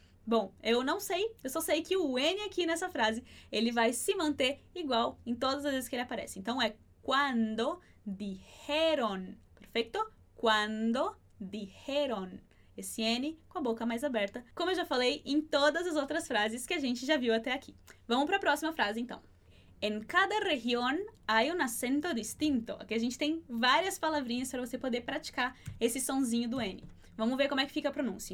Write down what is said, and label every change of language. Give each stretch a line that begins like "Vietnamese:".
Portuguese: Bom, eu não sei, eu só sei que o N aqui nessa frase, ele vai se manter igual em todas as vezes que ele aparece. Então, é quando dijeron, perfeito? Quando dijeron, esse N com a boca mais aberta, como eu já falei em todas as outras frases que a gente já viu até aqui. Vamos para a próxima frase, então.
Spanish: En cada región hay un acento distinto.
Portuguese: Aqui a gente tem várias palavrinhas para você poder praticar esse sonzinho do N. Vamos ver como é que fica a pronúncia.